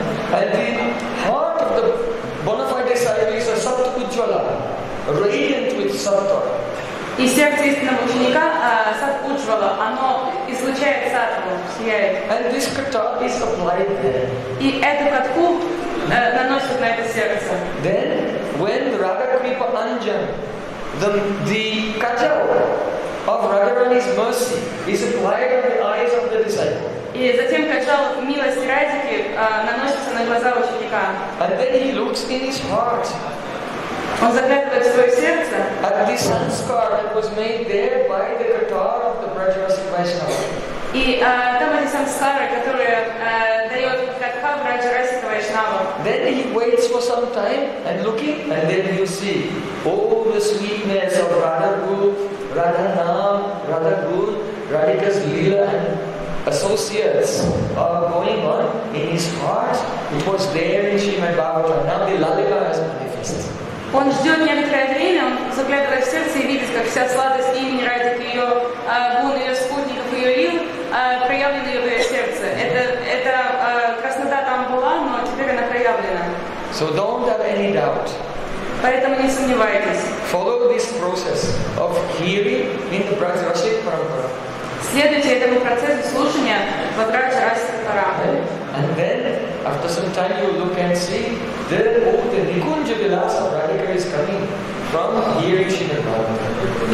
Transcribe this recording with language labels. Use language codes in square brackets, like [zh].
[en] And the heart of the bona fide disciple is a sattva ujjwala, radiant with sattva. [ru] И сердце истинного ученика, сатва ужвала, оно излучает сатву, сияет. [en] And this katha is applied there. [ru] И эту катху наносит на это сердце. [en] Then, when Radha Kripa Anjan, the katha of Radharani's mercy is applied on the eyes of the disciple. [ru] И затем каджал милости Радхики наносится на глаза ученика. [en] And then he looks in his heart. [ru] Он заглядывает в свое сердце. [en] At the sanskar that was made there by the katar of the Brajavasi Vaishnava. [ru] И там эти санскары, которые дает катха Брадживаси Вайшнава. [en] Then he waits for some time and looking, and then you see all the sweetness of Radha Gun, Radha Nam, Radha Gun, Radhika's Lila and associates are going on in his heart. It was there in Srimad Bhagavatam. Now the Lalima has manifested. [ru] Он ждет некоторое время, он заглядывает в сердце и видит, как вся сладость имени Радхики, ее гун, ее спутников, ее лил, проявлена в ее сердце. Это краснота там была, но теперь она проявлена. [en] So don't have any doubt. [ru] Поэтому не сомневайтесь. [en] Follow this process of hearing in the Brajarasi Parampara. [ru] Следуйте этому процессу слушания в Брадж-Расе Парампара. [en] And then, after some time, you look and see that all the Nikunja Vilasa of Radhika is coming from here in Srimad Bhagavatam.